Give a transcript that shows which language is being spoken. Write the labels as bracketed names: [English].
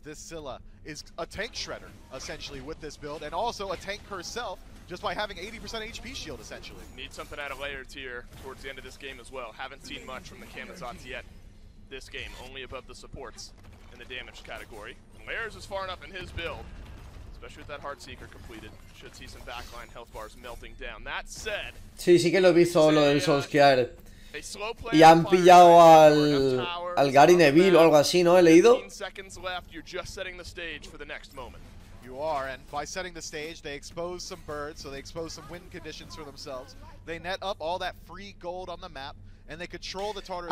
[English] This Scylla is a tank shredder, essentially, with this build, and also a tank herself, just by having 80% HP shield, essentially. Need something out of layer tier towards the end of this game as well. Haven't seen much from the Kamazots yet this game, only above the supports in the damage category. And Layers is far enough in his build, especially with that Heartseeker completed. Should see some backline health bars melting down. That said, [Spanish] sí, sí que lo vi solo el Solskjaer. Y han pillado al Gary Neville o algo así, ¿no? He leído. [English] You are, and by setting the stage, they expose some birds, so they expose some wind conditions for themselves. They net up all that free gold on the map, and they control the Tartarus.